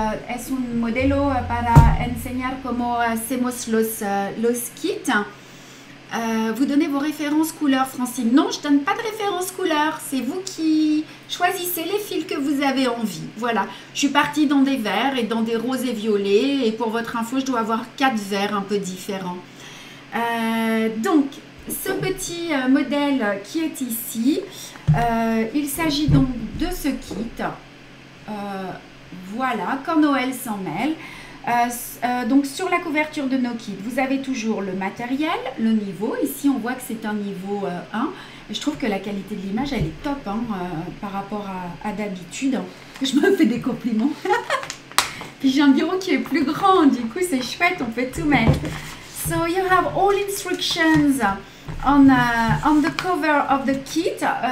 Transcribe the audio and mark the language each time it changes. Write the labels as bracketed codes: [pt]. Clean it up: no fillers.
[es] Es un modelo para enseñar cómo hacemos los kits. [fr] Vous donnez vos références couleurs, Francine. Non, je ne donne pas de références couleurs. C'est vous qui choisissez les fils que vous avez envie. Voilà, je suis partie dans des verts et dans des roses et violets. Et pour votre info, je dois avoir 4 verts un peu différents. Donc, ce petit modèle qui est ici, il s'agit donc de ce kit. Voilà, quand Noël s'en mêle. Donc sur la couverture de nos kits, vous avez toujours le matériel, le niveau. Ici, on voit que c'est un niveau 1. Je trouve que la qualité de l'image, elle est top hein, par rapport à d'habitude. Je me fais des compliments. Puis j'ai un bureau qui est plus grand, du coup c'est chouette, on peut tout mettre. [en] So you have all instructions on the cover of the kit.